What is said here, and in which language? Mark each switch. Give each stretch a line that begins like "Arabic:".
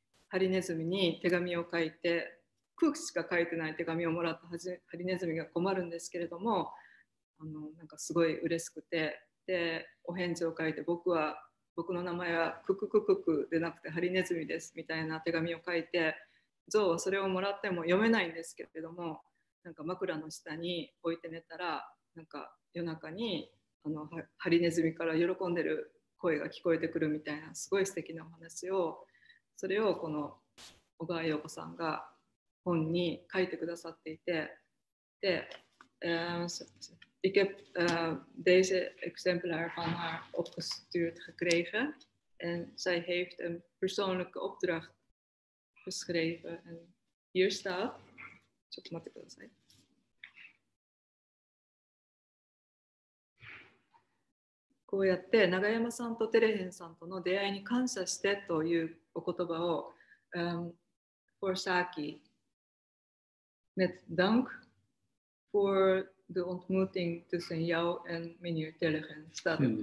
Japanese: ハリネズミに手紙を書いて、空気しか書いてない手紙をもらったハリネズミが困るんですけれども、あのなんかすごい嬉しくて、でお返事を書いて、僕の名前はクククククでなくてハリネズミですみたいな手紙を書いて、ゾウはそれをもらっても読めないんですけれども、なんか枕の下に置いて寝たら、なんか夜中にあのハリネズミから喜んでる声が聞こえてくるみたいな、すごい素敵なお話を。それをこの小川陽子さんが本に書いてくださっていて、で、
Dutch: ik heb deze exemplaar van haar opgestuurd gekregen en zij heeft een persoonlijke opdracht geschreven. En hier staat, zodat mag ik dat zijn.
Japanese: こうやって永山さんとテレヘンさんとの出会いに感謝してというお言葉を、
Dutch: for Saki, met dank for de ontmoeting tussen jou en meneer Telehen staat.